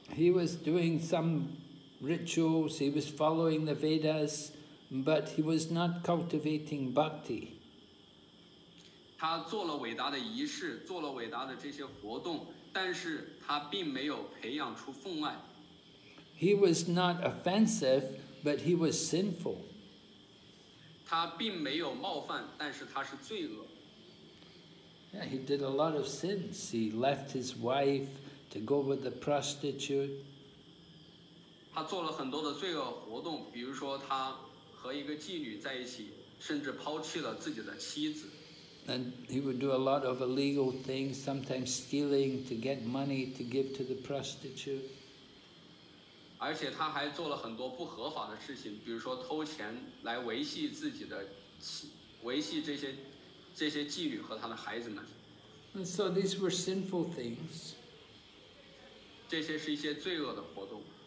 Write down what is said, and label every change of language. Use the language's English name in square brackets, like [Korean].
[English] He was doing some rituals, he was following the Vedas, but he was not cultivating bhakti. [Chinese] 他做了伟大的仪式，做了伟大的这些活动，但是他并没有培养出奉爱。 [English] He was not offensive, but he was sinful. [Chinese] 他并没有冒犯，但是他是罪恶。 [English] Yeah, he did a lot of sins. He left his wife to go with the prostitute. [Chinese] 他做了很多的罪恶活动，比如说他和一个妓女在一起，甚至抛弃了自己的妻子。 [English] And he would do a lot of illegal things, sometimes stealing to get money to give to the prostitute. [Chinese] 而且他还做了很多不合法的事情，比如说偷钱来维系自己的，维系这些妓女和他的孩子们。 [English] And so these were sinful things. [Chinese] 这些是一些罪恶的活动。